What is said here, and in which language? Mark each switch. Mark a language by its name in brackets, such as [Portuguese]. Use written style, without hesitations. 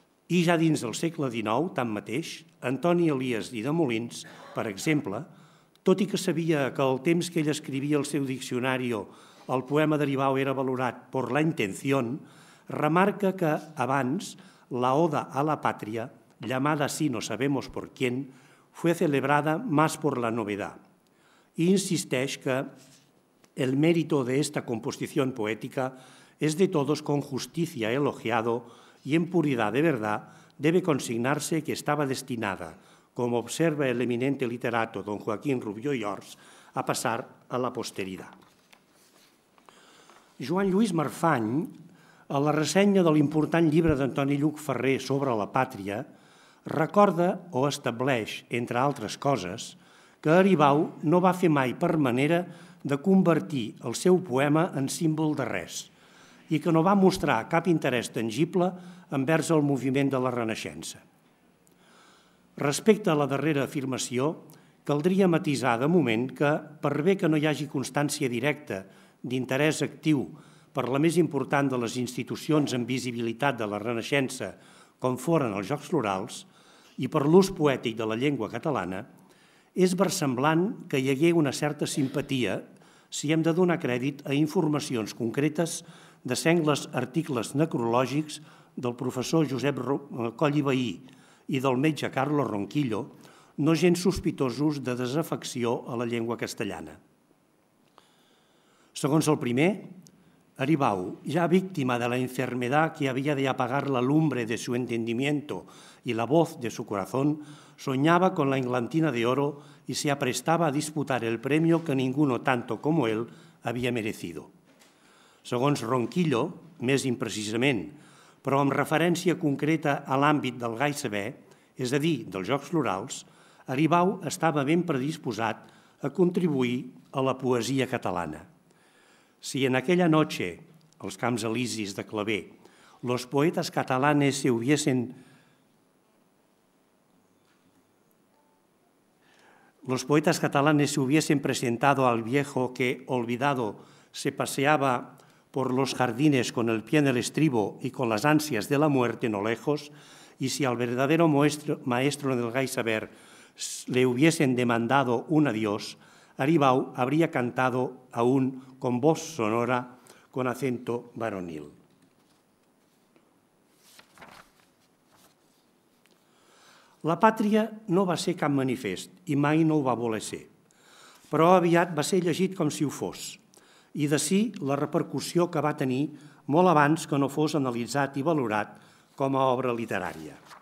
[Catalan] dins del segle XIX, tanmateix, Antoni Elias i de Molins, per exemple, tot i que sabia que el temps que ell escrivia el seu diccionari el poema d'Aribau era valorat per la intenció, remarca que, abans, la oda a la pàtria, [Spanish] llamada así no sabemos por quién, fue celebrada más por la novedad. [Catalan] I insisteix que [Spanish] el mérito de esta composición poética es de todos con justicia elogiado y en puridad de verdad debe consignarse que estaba destinada, como observa el eminente literato don Joaquín Rubió i Ors, a pasar a la posteridad. [Catalan] Joan Lluís Marfany, a la ressenya de l'important llibre d'Antoni Lluch Ferrer sobre la pàtria, recorda o estableix, entre altres coses, que Aribau no va fer mai per manera de convertir el seu poema en símbol de res i que no va mostrar cap interès tangible envers el moviment de la Renaixença. Respecte a la darrera afirmació, caldria matisar de moment que, per bé que no hi hagi constància directa d'interès actiu per la més important de les institucions amb visibilitat de la Renaixença com foren els Jocs Florals i per l'ús poètic de la llengua catalana, és versemblant que hi hagués una certa simpatia si hem de donar crèdit a informacions concretes de sengles articles necrològics del professor Josep Coll i Vehí i del metge Carlos Ronquillo, no gens sospitosos de desafecció a la llengua castellana. Segons el primer, [Spanish] Aribau, ja víctima de la enfermedad que havia de apagar la lumbre de su entendimiento y la voz de su corazón, soñaba con la Englantina de Oro y se aprestaba a disputar el premio que ninguno tanto como él había merecido. [Catalan] Segons Ronquillo, més imprecisament, però amb referència concreta a l'àmbit del Gai Saber, és a dir, dels Jocs Florals, Aribau estava ben predisposat a contribuir a la poesia catalana. [Spanish] Si en aquella noche, [Catalan] als Camps Elisis de Clavé, [Spanish] los poetas catalanes se hubiesen... Los poetas catalanes se hubiesen presentado al viejo que, olvidado, se paseaba por los jardines con el pie en el estribo y con las ansias de la muerte no lejos, y si al verdadero maestro del Gaisaber le hubiesen demandado un adiós, Aribau habría cantado aún con voz sonora, con acento varonil. [Catalan] La pàtria no va ser cap manifest i mai no ho va voler ser, però aviat va ser llegit com si ho fos, i d'ací la repercussió que va tenir molt abans que no fos analitzat i valorat com a obra literària.